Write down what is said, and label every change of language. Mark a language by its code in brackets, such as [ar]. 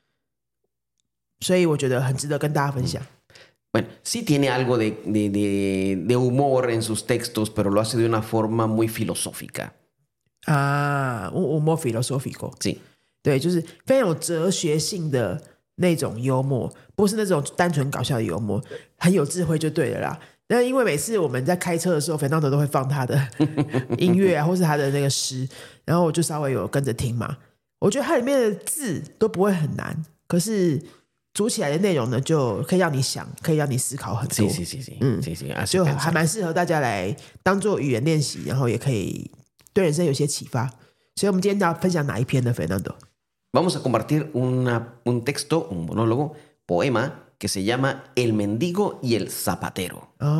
[zh] 他已经不再世界上了啦，但是他有很多很棒的作品。这歌手很特别的是他的歌啊，还有他的，他是歌手，他也是诗人。然后呢，他也做一些单口相声的表演。单口相声的表演不是我们想的那种搞笑的那种相声，不是，他都是讲一些很有人生智慧的一些内容，所以我觉得很值得跟大家分享。 [es] Bueno, sí tiene algo de humor en sus textos, pero lo hace de una forma muy filosófica. Humor filosófico. Sí. [zh] 对，就是非常有哲学性的那种幽默，不是那种单纯搞笑的幽默，很有智慧就对了啦。那因为每次我们在开车的时候，Fernando都会放他的音乐啊，或是他的那个诗，然后我就稍微有跟着听嘛。我觉得它里面的字都不会很难，可是 组起来的内容呢，就可以让你想，可以让你思考很多。嗯，就还蛮适合大家来当做语言练习，然后也可以对人生有些启发。所以，我们今天要分享哪一篇呢，Fernando？ [es] Vamos a compartir un texto, un monólogo, poema que se llama El mendigo y el zapatero.